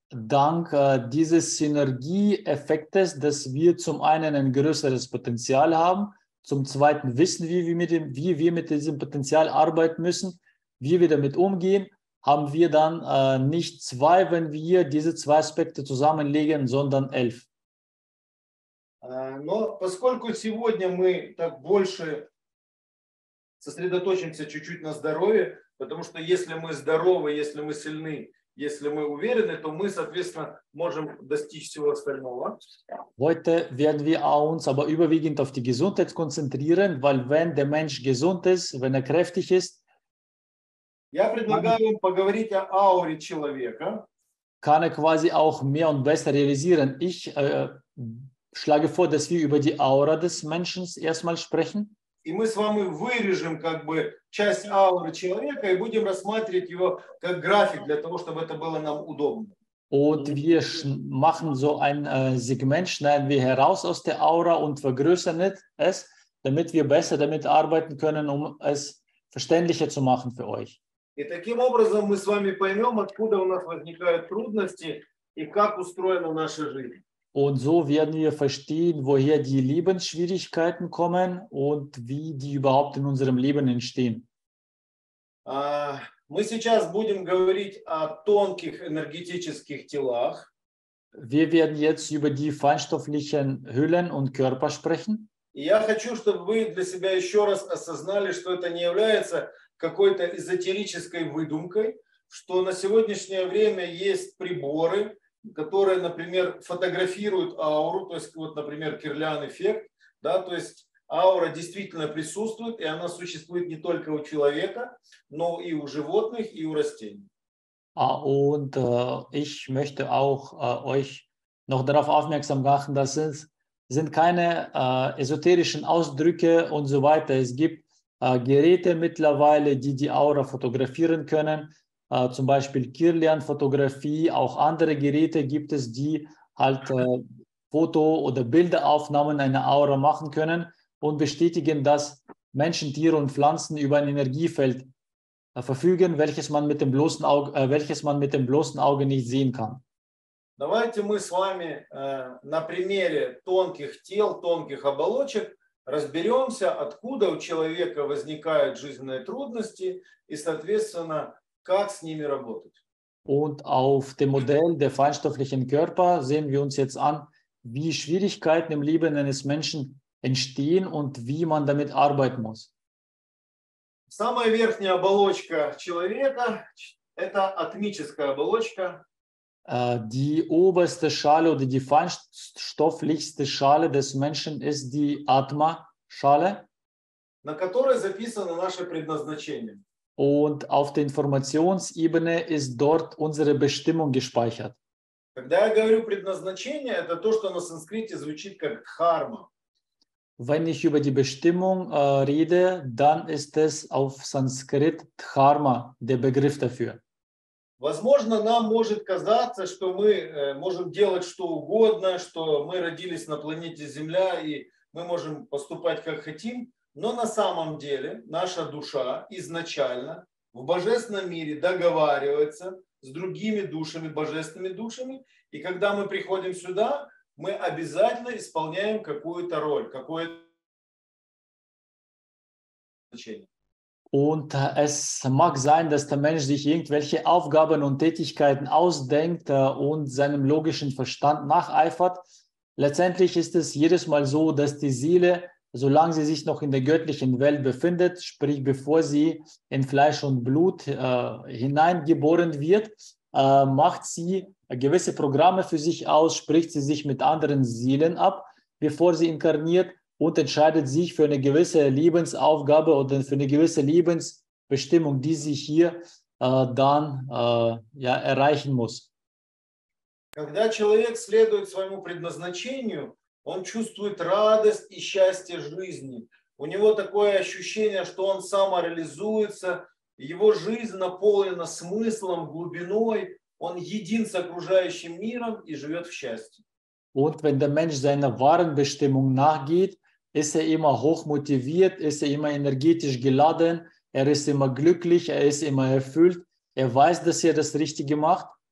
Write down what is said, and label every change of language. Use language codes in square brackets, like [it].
[de] Dank dieses Synergieeffektes, dass wir zum einen ein größeres Potenzial haben, zum zweiten wissen wir, wie wir mit diesem Potenzial arbeiten müssen, wie wir damit umgehen, haben wir dann nicht zwei, wenn wir diese zwei Aspekte zusammenlegen, sondern 11. [ru] Но поскольку сегодня мы так больше сосредоточимся чуть-чуть на здоровье, потому что если мы здоровы, если мы сильны, если мы уверены, то мы, соответственно, можем достичь всего остального. [de] Heute werden wir uns aber überwiegend auf die Gesundheit konzentrieren, weil wenn der Mensch gesund ist, wenn kräftig ist, [ru] я предлагаю вам поговорить о ауре человека. [de] Kann quasi auch mehr und besser realisieren. Ich schlage vor, dass wir über die Aura des Menschen erstmal sprechen. [ru] И мы с вами вырежем как бы часть ауры человека и будем рассматривать его как график для того, чтобы это было нам удобно. [de] Und wir machen so ein Segment, schneiden wir heraus aus der Aura und vergrößern es, damit wir besser damit arbeiten können, um es verständlicher zu machen für euch. [ru] И таким образом мы с вами поймем, откуда у нас возникают трудности и как устроена наша жизнь. [de] Und so werden wir verstehen, woher die Lebensschwierigkeiten kommen und wie die überhaupt in unserem Leben entstehen. [ru] Мы сейчас будем говорить о тонких энергетических телах. [de] Wir werden jetzt über die feinstofflichen Hüllen und Körper sprechen. [ru] Я хочу, чтобы вы для себя еще раз осознали, что это не является какой-то эзотерической выдумкой, что на сегодняшнее время есть приборы, которые, например, фотографируют ауру, то есть, вот, например, Кирлян-эффект, да, то есть аура действительно присутствует, и она существует не только у человека, но и у животных, и у растений. [de] Und ich möchte auch euch noch darauf aufmerksam machen, dass es sind keine esoterischen Ausdrücke und so weiter. Es gibt Geräte mittlerweile, die die Aura fotografieren können. Zum Beispiel Kirlian-Fotografie, auch andere Geräte gibt es, die halt Foto- oder Bilderaufnahmen einer Aura machen können und bestätigen, dass Menschen, Tiere und Pflanzen über ein Energiefeld verfügen, welches man mit dem bloßen Auge, welches man mit dem bloßen Auge nicht sehen kann. [ru] Давайте мы с вами на примере тонких тел, тонких оболочек разберемся, откуда у человека возникают жизненные трудности и, соответственно, как с ними работать. [de] Und auf dem Modell der feinstofflichen Körper sehen wir uns jetzt an, wie Schwierigkeiten im Leben eines Menschen entstehen und wie man damit arbeiten muss. [ru] Самая верхняя оболочка человека – это атмическая оболочка. [de] Die oberste Schale oder die feinstofflichste Schale des Menschen ist die Atma-Schale, [ru] на которой записано наше предназначение. [de] Und auf der Informationsebene ist dort unsere Bestimmung gespeichert. [ru] Когда я говорю предназначение, это то, что на санскрите звучит как дхарма. [de] Wenn ich über die Bestimmung rede, dann ist es auf Sanskrit dharma, der Begriff dafür. [ru] Возможно, нам может казаться, что мы можем делать что угодно, что мы родились на планете Земля и мы можем поступать как хотим, но на самом деле наша душа изначально в божественном мире договаривается с другими душами, божественными душами, и когда мы приходим сюда, мы обязательно исполняем какую-то роль, какое-то значение. [de] Und es mag sein, dass der Mensch sich irgendwelche Aufgaben und Tätigkeiten ausdenkt und seinem logischen Verstand nacheifert. Letztendlich ist es jedes Mal so, dass die Seele, solange sie sich noch in der göttlichen Welt befindet, sprich bevor sie in Fleisch und Blut hineingeboren wird, macht sie gewisse Programme für sich aus, spricht sie sich mit anderen Seelen ab, bevor sie inkarniert. Und entscheidet sich für eine gewisse Lebensaufgabe oder für eine gewisse Lebensbestimmung, die sie hier dann ja, erreichen muss. [ru] Когда человек следует своему предназначению, он чувствует радость и счастье жизни. У него такое ощущение, что он самореализуется, его жизнь наполнена смыслом, глубиной, он един с окружающим миром и живет в счастье. [de] Und wenn der Mensch seiner wahren Bestimmung nachgeht, ist er immer hochmotiviert, ist er immer energetisch geladen, er ist immer glücklich, er ist immer erfüllt, er weiß, dass er das Richtige macht.